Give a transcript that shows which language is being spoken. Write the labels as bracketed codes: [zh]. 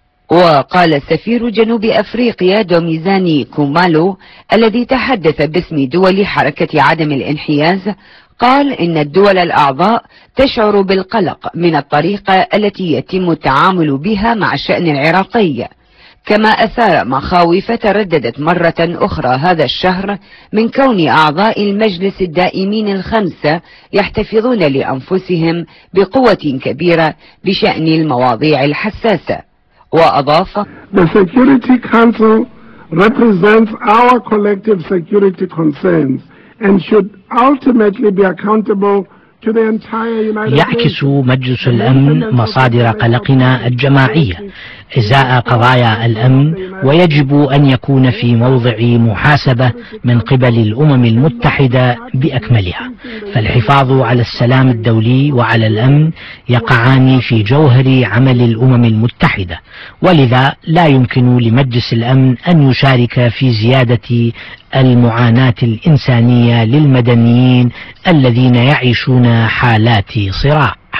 [ar] وقال سفير جنوب أفريقيا دوميزاني كومالو الذي تحدث باسم دول حركة عدم الانحياز، قال إن الدول الأعضاء تشعر بالقلق من الطريقة التي يتم التعامل بها مع الشأن العراقي، كما أثار مخاوف ترددت مرة أخرى هذا الشهر من كون أعضاء المجلس الدائمين الخمسة يحتفظون لأنفسهم بقوة كبيرة بشأن المواضيع الحساسة. وأضاف [en] The Security Council represents our collective security concerns and should ultimately be accountable. [ar] يعكس مجلس الأمن مصادر قلقنا الجماعية إزاء قضايا الأمن، ويجب أن يكون في موضع محاسبة من قبل الأمم المتحدة بأكملها، فالحفاظ على السلام الدولي وعلى الأمن يقعان في جوهر عمل الأمم المتحدة، ولذا لا يمكن لمجلس الأمن أن يشارك في زيادة المعاناة الإنسانية للمدنيين الذين يعيشون حالات صراع.